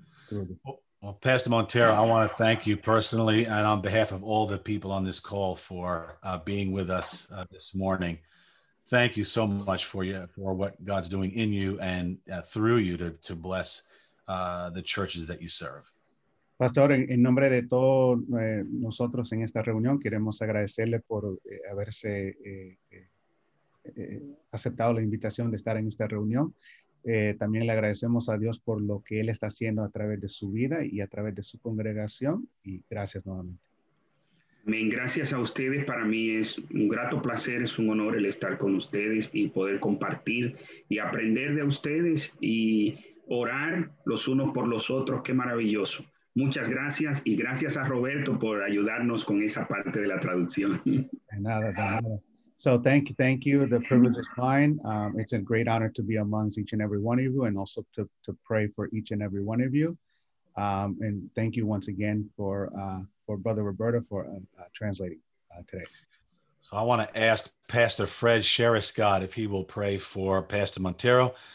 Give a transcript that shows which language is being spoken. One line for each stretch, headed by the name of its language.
English: Well, Pastor Montero, I want to thank you personally and on behalf of all the people on this call for being with us this morning. Thank you so much for what God's doing in you and through you to bless the churches that you serve.
Spanish: Pastor, en nombre de todos nosotros en esta reunión, queremos agradecerle por haberse aceptado la invitación de estar en esta reunión. También le agradecemos a Dios por lo que Él está haciendo a través de su vida y a través de su congregación. Y gracias nuevamente. Amén. Gracias a ustedes. Para mí es un grato placer, es un honor el estar con ustedes y poder compartir y aprender de ustedes y orar los unos por los otros. Qué maravilloso. Muchas gracias y gracias a Roberto por ayudarnos con esa parte de la traducción. De nada, de nada.
English: So thank you. The privilege is mine. It's a great honor to be amongst each and every one of you and also to pray for each and every one of you. And thank you once again for Brother Roberto for translating today. So I want to ask Pastor Fred Scherer-Scott if he will pray for Pastor Montero.